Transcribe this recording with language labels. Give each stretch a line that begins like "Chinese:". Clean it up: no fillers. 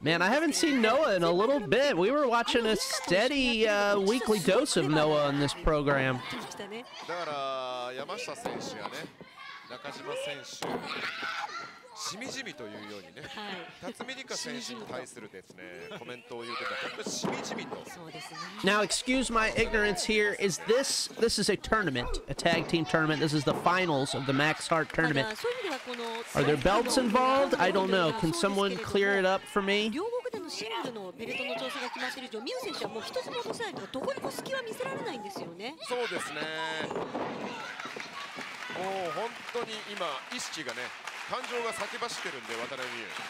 English: Man, I haven't seen Noah in a little bit. We were watching a steady weekly dose of Noah on this program.
Japanese: だから山下選手やね、中島選手、しみじみというようにね、辰巳リカ選手に対するですねコメントを言うてた。しみじみと。そうですね。
English: Now, excuse my ignorance here. Is this this is a tournament, a tag team tournament? This is the finals of the Max Hart tournament. Are there belts involved? I don't know. Can someone clear it up for me?
Japanese: 両国でのシングルのベルトの調整が決まっている以上、ミュー選手はもう一つも落とさないとどこにも隙は見せられないんですよね。そうですね。もう本当に今意識がね。感情が先走ってるんで渡辺美優。